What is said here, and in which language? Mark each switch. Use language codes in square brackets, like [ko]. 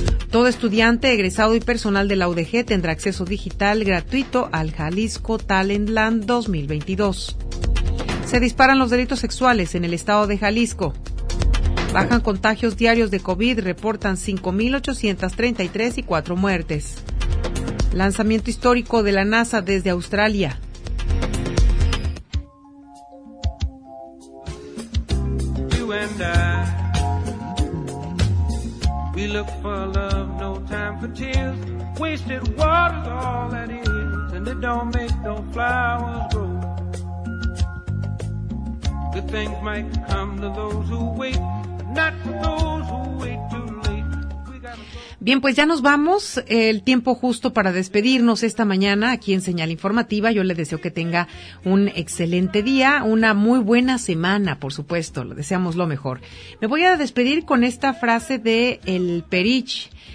[es] Todo estudiante, egresado y personal de la UDG tendrá acceso digital gratuito al Jalisco Talent Land 2022. Se disparan los delitos sexuales en el estado de Jalisco. Bajan contagios diarios de COVID, reportan 5,833 y 4 muertes. Lanzamiento histórico de la NASA desde Australia. [en] You and I, we look for love, no time for tears. Wasted water's all that is, and it don't make no flowers grow. Good things might come to those who wait, not for those who wait too late. [es] Bien, pues ya nos vamos. El tiempo justo para despedirnos esta mañana aquí en Señal Informativa. Yo le deseo que tenga un excelente día, una muy buena semana, por supuesto. Le deseamos lo mejor. Me voy a despedir con esta frase de El Perich.